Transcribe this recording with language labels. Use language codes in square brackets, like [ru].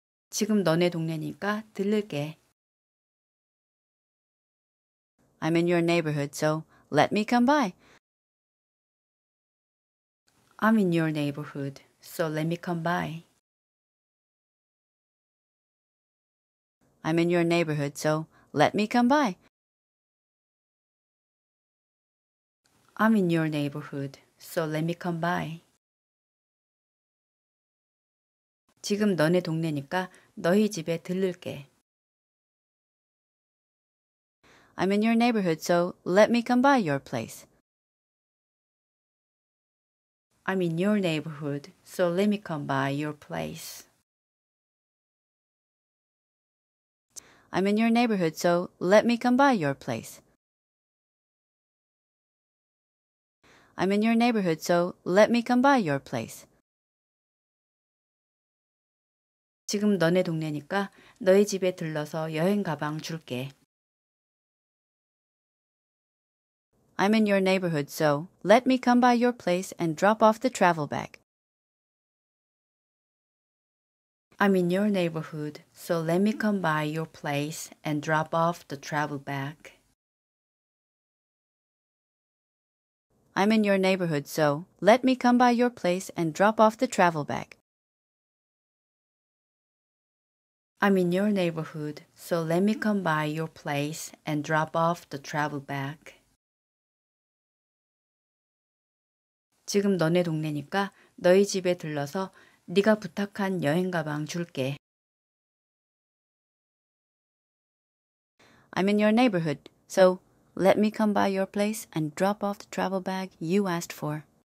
[ko] 지금 너네 동네니까 들를게. [en] I'm in your neighborhood, so let me come by. I'm in your neighborhood, so let me come by. I'm in your neighborhood, so let me come by. I'm in your neighborhood, so let me come by. [ko] 지금 너네 동네니까 너희 집에 들를게. [en] I'm in your neighborhood, so let me come by your place. I'm in your neighborhood, so let me come by your place. I'm in your neighborhood, so let me come by your place. I'm in your neighborhood, so let me come by your place. [ko] 지금 너네 동네니까 너희 집에 들러서 여행 가방 줄게. [en] I'm in your neighborhood, so let me come by your place and drop off the travel bag. I'm in your neighborhood, so let me come by your place and drop off the travel bag. I'm in your neighborhood, so let me come by your place and drop off the travel bag. I'm in your neighborhood, so let me come by your place and drop off the travel bag. [ko] 지금 너네 동네니까 너희 집에 들러서 네가 부탁한 여행 가방 줄게. [en] I'm in your neighborhood, so let me come by your place and drop off the travel bag you asked for.